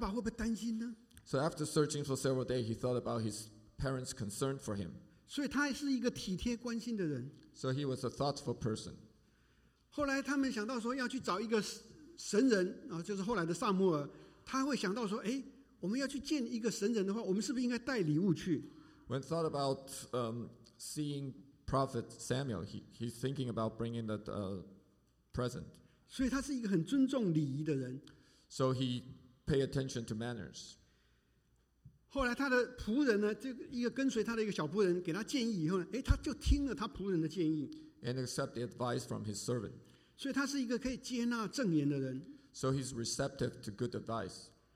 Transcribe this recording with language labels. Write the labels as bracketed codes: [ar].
[zh] 而且他找驴子找了几天以后，他会想到说，哎，我这样出来找驴子找不到，可是在我家里的爸爸会不会担心呢？So [en] after searching for several days, he thought about his parents' concern for him. [zh] 所以他是一个体贴关心的人。 [en] So he was a thoughtful person. [zh] 后来他们想到说要去找一个神人，就是后来的撒母耳，他会想到说，哎，我们要去见一个神人的话，我们是不是应该带礼物去？ [en] When thought about seeing Prophet Samuel, he's thinking about bringing that present. [zh] 所以他是一个很尊重礼仪的人。 [en] So he paid attention to manners. [zh] 后来他的仆人呢，就一个跟随他的一个小仆人给他建议以后呢，哎，他就听了他仆人的建议。 [en] And accept the advice from his servant. [zh] 所以他是一个可以接纳正言的人。 [en] So he's receptive to good advice.